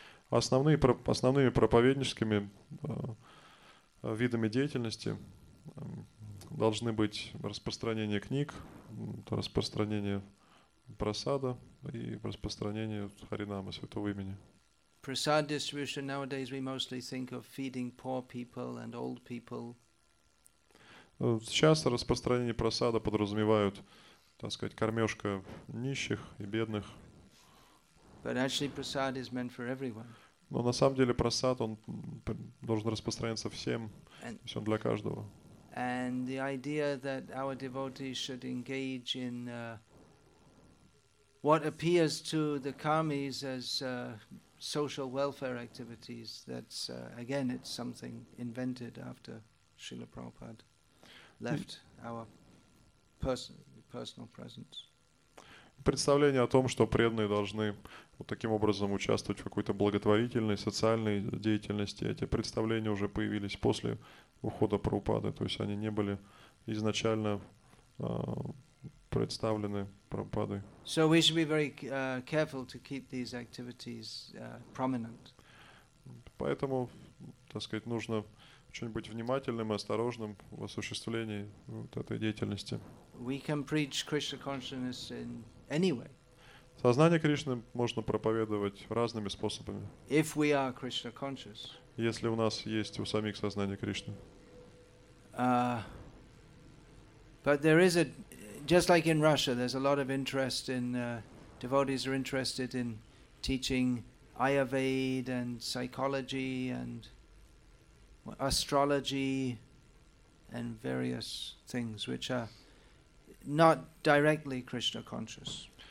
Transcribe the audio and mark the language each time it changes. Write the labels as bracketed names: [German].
[Russian] Основными проповедническими видами деятельности должны быть распространение книг, распространение Прасада и распространение Харинама, святого имени. [English] Prasad distribution nowadays we mostly think of feeding poor people and old people. [Russian] Сейчас распространение прасада подразумевают, так сказать, кормежка нищих и бедных. [English] But actually prasad is meant for everyone. [Russian] Но на самом деле прасад, он должен распространяться всем, то есть он для каждого. [English] And the idea that our devotees should engage in what appears to the karmis as social welfare activities, that's, again, it's something invented after Srila Prabhupada left our personal presence. [Russian] Представление о том, что преданные должны вот таким образом участвовать в какой-то благотворительной, социальной деятельности, эти представления уже появились после ухода Прабхупады, то есть они не были изначально представлены Прабхупадой. [English] So we should be very careful to keep these activities prominent. [Russian] Поэтому, так сказать, нужно очень быть внимательным и осторожным в осуществлении вот этой деятельности. [English] We can preach Krishna consciousness in any way. [Russian] Сознание Кришны можно проповедовать разными способами. [English] If we are Krishna conscious. [Russian] Если у нас есть у самих сознание Кришны. [English] But there is a just like in Russia, there's a lot of interest in devotees are interested in teaching Ayurveda and psychology and astrology and various things which are not directly Krishna conscious.